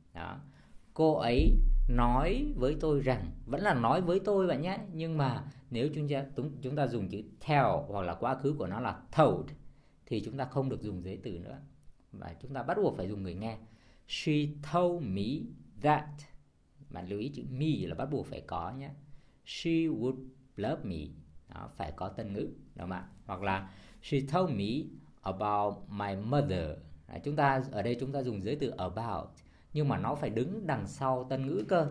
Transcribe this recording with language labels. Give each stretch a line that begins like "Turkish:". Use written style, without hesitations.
Vietnamese: Đó, cô ấy nói với tôi rằng, vẫn là nói với tôi bạn nhé, nhưng mà nếu chúng ta dùng chữ tell hoặc là quá khứ của nó là told, thì chúng ta không được dùng giới từ nữa. Và chúng ta bắt buộc phải dùng người nghe.
English: She told me that.
Vietnamese: Bạn lưu ý chữ me là bắt buộc phải có nhé.
English: She would love me.
Vietnamese: Đó, phải có tân ngữ. Đúng không ạ? Hoặc là
English: she told me about my mother.
Vietnamese: Đó, chúng ta ở đây chúng ta dùng giới từ about. Nhưng mà nó phải đứng đằng sau tân ngữ cơ.